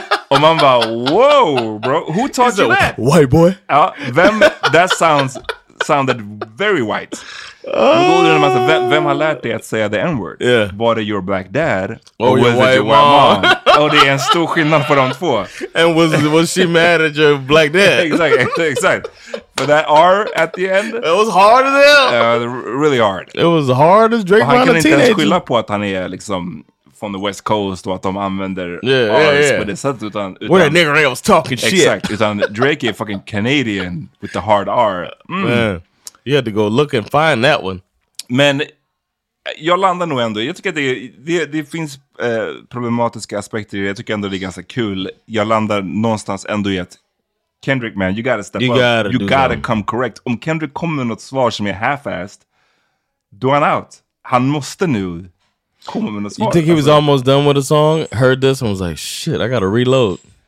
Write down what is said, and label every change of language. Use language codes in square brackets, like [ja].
[sv] Och man bara, [en] whoa, bro, who taught you that? White boy. Ja, that sounds sounded very white. Oh. I'm going to ask, [sv] vem har lärt dig att säga [en] the N-word? Yeah. Was it your black dad? Or was it your white mom? [sv] Och det är en stor skillnad på de två. [en] And was she mad at your black dad? Exactly. For that R at the end? It was hard as hell. Really hard. It was hard as Drake around a teenager. [sv] Han kan inte skylla på att han är liksom från the West Coast och att de använder R's på det sättet. Utan, [en] where that nigger ain't was talking [sv] exakt, [en] shit. [sv] Exakt, utan [en] Drake är fucking Canadian with the hard R. Mm. Man, you had to go look and find that one. [sv] Men jag landar nog ändå, jag tycker att det finns problematiska aspekter, jag tycker ändå det är ganska kul. Jag landar någonstans ändå i att Kendrick, [en] man, you gotta step you up. Gotta you gotta that. Come correct. [sv] Om Kendrick kommer med något svar som är [en] half-assed, do I'm out. [sv] Han måste nu komma med något svar. [en] You think he was almost done with the song, heard this and was like, shit, I gotta reload.